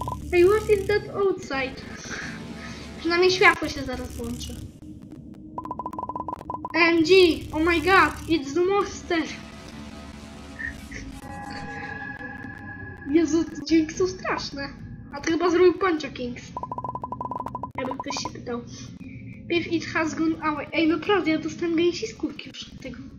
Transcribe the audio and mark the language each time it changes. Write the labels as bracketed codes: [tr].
[en] Hey, what is that outside? [pl] Przynajmniej światło się zaraz włączy. MG! [en] Oh my god, it's the monster! [pl] Jezu, dźwięki są straszne. A to chyba zrobił Pancho Kings. Jakby ktoś się pytał. [en] If it has gone away. [pl] Ej, naprawdę, ja dostałem gęsi skórki już od tego.